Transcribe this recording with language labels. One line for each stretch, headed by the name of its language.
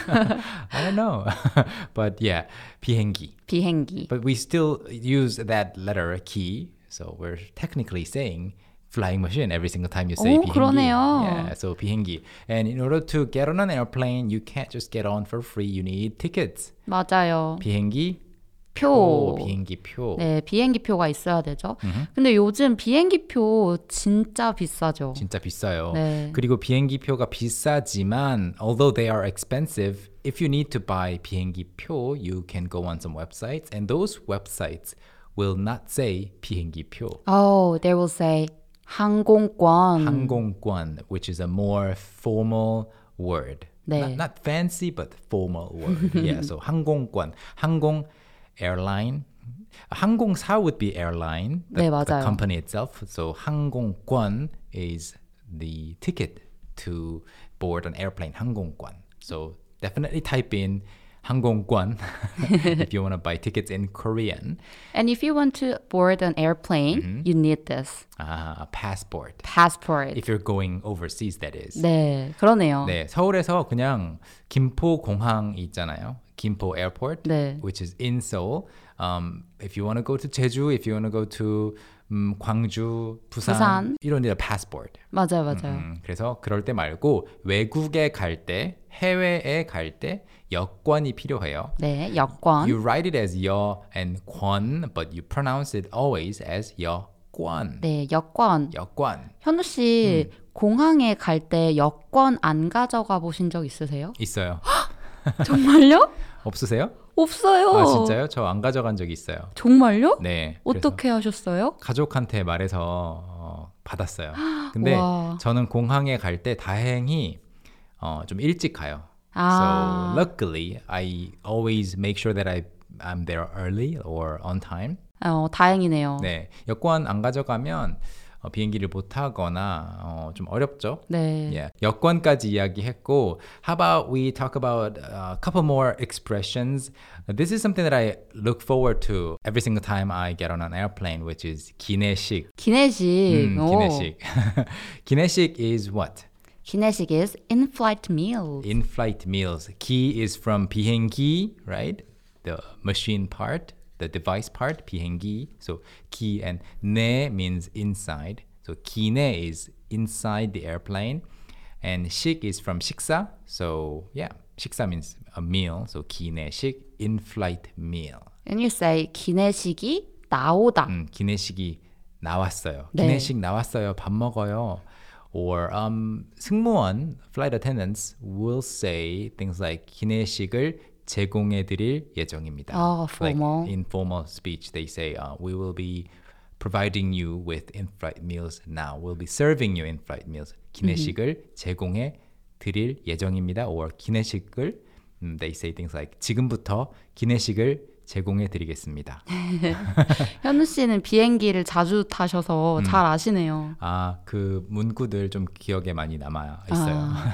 English: I don't know. but yeah, 비행기.
Korean: 비행기.
English: But we still use that letter, 기. So we're technically saying flying machine every single time you say 비행기.
Korean: 그러네요.
English: Yeah, so 비행기. And in order to get on an airplane, you can't just get on for free. You need tickets.
Korean: 맞아요. 비행기 표. 비행기 표. 네, 비행기 표가 있어야 되죠. Mm-hmm. 근데 요즘 비행기 표 진짜 비싸죠. 진짜 비싸요. 네. 그리고 비행기 표가 비싸지만,
English: although they are expensive, if you need to buy 비행기 표, you can go on some websites. And those websites will not say 비행기 표. Oh, they will say 항공권. 항공권, which is a more formal word.
Korean: 네.
English: Not fancy, but formal word. yeah, so 항공권. 항공, airline. 항공사 would be airline, the, 네, the company itself. So 항공권 is the ticket to board an airplane, 항공권. So definitely type in 항공권, if you want to buy tickets in Korean. And if you want to board an airplane, mm-hmm. you need this. A passport. Passport. If you're going overseas, that is.
Korean: 네, 그러네요. 네, 서울에서 그냥 김포공항이 있잖아요.
English: 김포 Airport,
Korean: 네.
English: which is in Seoul. If you want to go to 제주, if you want to go to 광주, 부산, you don't need a passport.
Korean: 맞아요, 맞아요. 그래서 그럴 때 말고 외국에 갈 때, 해외에 갈 때 여권이 필요해요. 네, 여권.
English: You write it as 여 and 권, but you pronounce it always as 여권.
Korean: 네, 여권. 여권. 현우 씨, 공항에 갈 때 여권 안 가져가 보신 적 있으세요? 있어요. 정말요? 없으세요? 없어요. 아, 진짜요? 저 안 가져간 적 있어요. 정말요? 네. 어떻게 하셨어요? 가족한테 말해서 받았어요. 근데 와. 저는 공항에 갈 때 다행히 좀 일찍 가요. 아.
English: So luckily, I always make sure that I'm there early or on time.
Korean: 다행이네요. 네. 여권 안 가져가면 비행기를 못 타거나 좀 어렵죠. 네.
English: Yeah.
Korean: 여권까지 이야기했고,
English: how about we talk about a couple more expressions? This is something that I look forward to every single time I get on an airplane, which is 기내식.
Korean: 기내식.
English: 기내식. 기내식 is what? 기내식 is in-flight meals. In-flight meals. 기 is from 비행기, right? The machine part. The device part, 비행기, so 기 and 내 means inside. So 기내 is inside the airplane. And 식 is from 식사. So yeah, 식사 means a meal. So 기내식, in-flight meal. And you say 기내식이 나오다.
Korean: 기내식이 나왔어요. 네. 기내식 나왔어요. 밥 먹어요. Or 승무원,
English: flight attendants will say things like
Korean: 기내식을 제공해 드릴 예정입니다.
English: Oh, formal. Like in formal speech, they say, we will be providing you with in-flight meals now. We'll be serving you in-flight meals.
Korean: 기내식을 제공해 드릴 예정입니다. Or 기내식을,
English: they say things like,
Korean: 지금부터 기내식을 제공해 드리겠습니다. 현우 씨는 비행기를 자주 타셔서 잘 아시네요. 아, 그 문구들 좀 기억에 많이 남아 있어요.